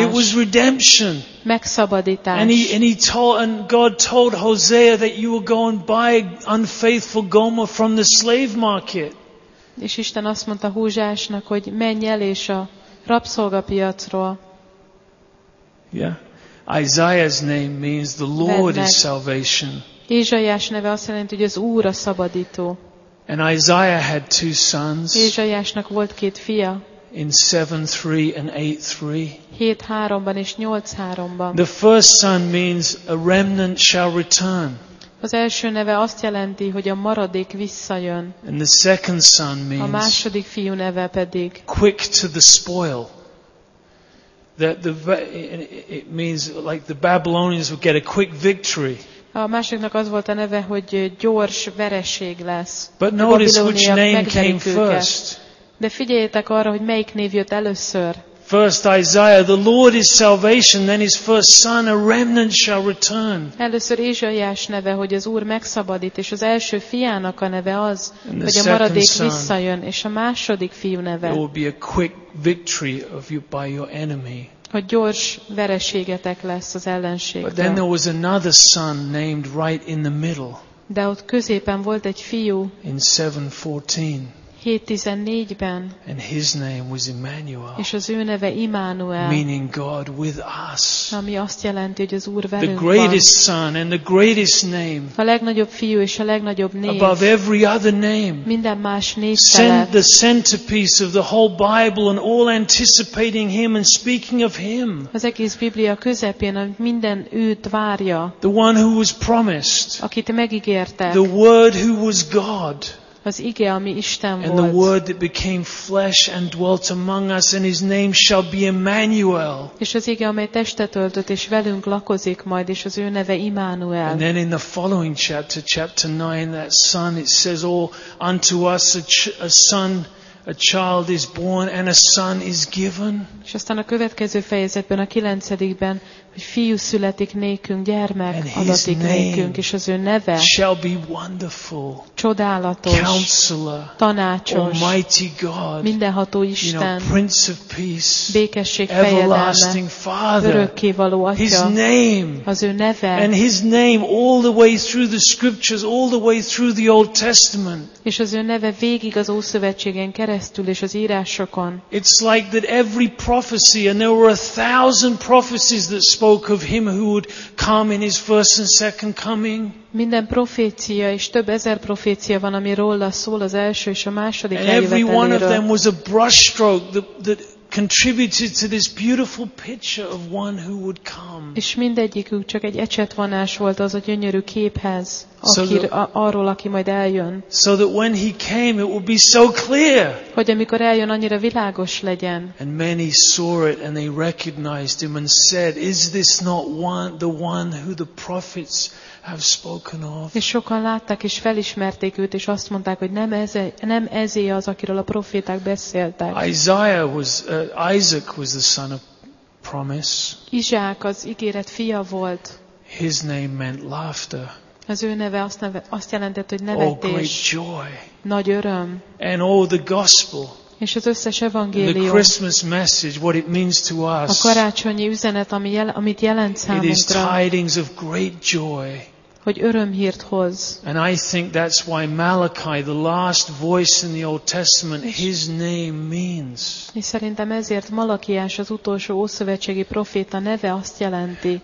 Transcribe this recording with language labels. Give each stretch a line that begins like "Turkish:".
English: It was redemption.
Hungarian: Megszabadítás.
English: And God told Hosea that you will go and buy unfaithful Gomer from the slave market.
Hungarian: És Isten azt mondta Hózsásnak, hogy menj el és a rabszolgapiacról.
English: Yeah. Isaiah's name means the Lord is salvation.
Hungarian: Ézsaiás neve azt jelenti, hogy az Úr a szabadító.
English: And Isaiah had two sons.
Hungarian: Ézsaiásnak volt két fia.
English: In 7:3 and 8:3.
Hungarian: 7:3-ban és 8:3-ban.
English: The first son means a remnant shall return.
Hungarian: Az első neve azt jelenti, hogy a maradék visszajön.
English: And the second son means
Hungarian: a második fiú neve pedig
English: quick to the spoil. That the it means like the Babylonians would get a quick victory.
Hungarian: A másiknak az volt a neve, hogy gyors vereség lesz.
English: But notice which name came first.
Hungarian: De figyeljetek arra, hogy melyik név jött először.
English: First Isaiah, the Lord is salvation, then his first son, a remnant shall return.
Hungarian: Először Ézsaiás neve, hogy az Úr megszabadít, és az első fiának a neve az, hogy a maradék visszajön, és a második fiú neve.
English: There will be a quick victory of you by your enemy.
Hungarian: Hogy gyors vereségetek lesz az ellenség.
English: But then there was another son named right in the middle.
Hungarian: De ott középen volt egy fiú.
English: In 7:14.
Hungarian: 7:14-ben.
English: And his name was Emmanuel.
Hungarian: És az ő neve Immanuel.
English: Meaning God with us.
Hungarian: Ami azt jelenti, hogy az Úr velünk van.
English: The greatest son and the greatest name.
Hungarian: A legnagyobb fiú és a legnagyobb név.
English: Above every other name.
Hungarian: Minden más név felett.
English: The centerpiece of the whole Bible and all anticipating him and speaking of him.
Hungarian: Az egész Biblia közepén, amit minden őt várja.
English: The one who was promised.
Hungarian: Akit megígértek.
English: The word who was God.
Hungarian: Az ige, ami Isten
English: and The word that became flesh and dwelt among us and his name shall be Emmanuel.
Hungarian: És az ige, amely testet öltött és velünk lakozik majd, és az ő neve Immanuel.
English: And then in the following chapter, chapter 9, that son, it says all unto us a son, a child is born and a son is given.
Hungarian: És aztán a következő fejezetben, a 9-ben, hogy fiú születik nékünk, gyermek adatik nékünk, és az ő neve
English: shall be wonderful,
Hungarian: csodálatos,
English: counselor,
Hungarian: tanácsos,
English: almighty God,
Hungarian: mindenható Isten,
English: you know, prince of peace,
Hungarian: békesség
English: everlasting father,
Hungarian: örökkévaló atya,
English: his name,
Hungarian: az ő neve,
English: and his name all the way through the scriptures, all the way through the Old Testament.
Hungarian: És az ő neve végig az Ószövetségen keresztül és az írásokon.
English: It's like that every prophecy, and there were a thousand prophecies that spoke of him who would come in his first and second coming.
Hungarian: Minden profécia és több ezer profécia van, ami róla szól az első és a második eljöveteléről.
English: Every one of them was a brushstroke that contributed to this beautiful picture of one who would come.
Hungarian: És mindegyikük csak egy ecsetvonás volt az a gyönyörű képhez, akir, arról, aki majd eljön.
English: So that when he came, it would be so clear.
Hungarian: Hogy amikor eljön, annyira világos legyen.
English: And many saw it and they recognized him and said, "Is this not one, the one who the prophets have spoken of?"
Hungarian: És sokan látták és felismerték őt, és azt mondták, hogy nem ezé az, akiről a proféták beszéltek.
English: Isaac was the son of promise.
Hungarian: Izsák az ígéret fia volt.
English: His name meant laughter.
Hungarian: Az ő neve azt jelentett, hogy nevetés.
English: Oh, great joy.
Hungarian: Nagy öröm.
English: And all the gospel.
Hungarian: És az összes evangélium.
English: The Christmas message, what it means to us.
Hungarian: A karácsonyi üzenet, amit jelent számunkra.
English: It is tidings of great joy.
Hungarian: Hogy örömhírt hoz.
English: And I think that's why Malachi, the last voice in the Old Testament, his name means.
Hungarian: És szerintem ezért Malakiás, az utolsó ószövetségi proféta neve azt jelenti.